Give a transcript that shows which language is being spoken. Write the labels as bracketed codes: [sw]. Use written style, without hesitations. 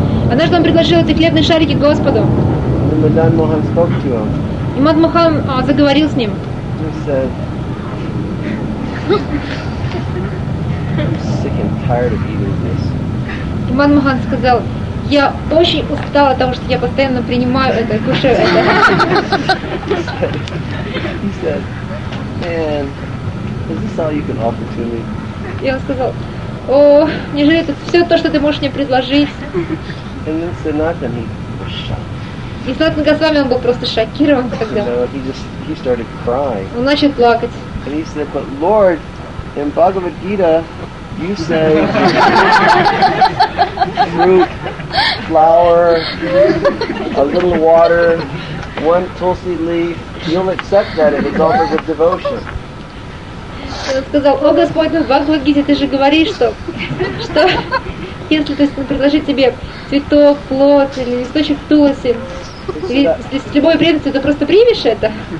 [ru] Однажды он предложил эти хлебные шарики Господу. И [en] Мадан Мохан spoke to him. [ru] И Мадан Мохан заговорил с ним. [en] He said, "I'm sick and tired of eating this." [ru] И Мадан Мохан сказал: "Я очень устал от того, что я постоянно принимаю это, кушаю это." [en] He said, "Man, is this all you can offer to me?" [ru] И он сказал: "О, неужели это все то, что ты можешь мне предложить?" [en] And then Sanatana, he was shocked. [ru] И Санатана Госвами он был просто шокирован тогда. [en] He started crying. [ru] Он начал плакать. [en] And he said, "But Lord, in Bhagavad Gita, you say fruit, flower, a little water, one tulsi leaf, you'll accept that if it's offered with devotion." [ru] Он сказал: "О Господь, в Бхагавад Гите ты же говоришь, что если то есть предложить тебе цветок, плод или листочек туласи, или с любой преданностью, ты просто примешь это?"